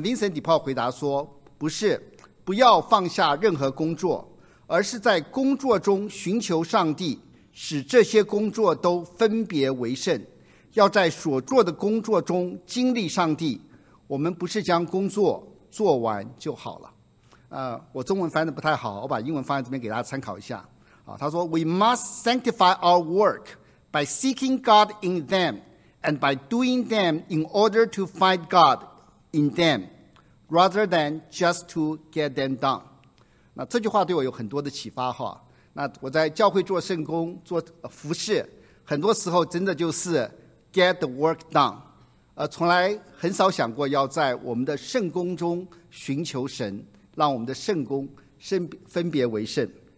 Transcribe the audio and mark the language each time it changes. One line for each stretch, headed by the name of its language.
Chinese: Vincent de Paul 回答说：“不是，不要放下任何工作，而是在工作中寻求上帝，使这些工作都分别为圣，要在所做的工作中经历上帝。我们不是将工作做完就好了。” 我中文翻得不太好，我把英文放在这边给大家参考一下。他说
English: We must sanctify our work by seeking God in them and by doing them in order to find God in them rather than just to get them done。
Chinese: 那这句话对我有很多的启发哈。那我在教会做圣工做服事，很多时候真的就是
English: get the work done，
Chinese: 从来很少想过要在我们的圣工中寻求神，让我们的圣工分别为圣。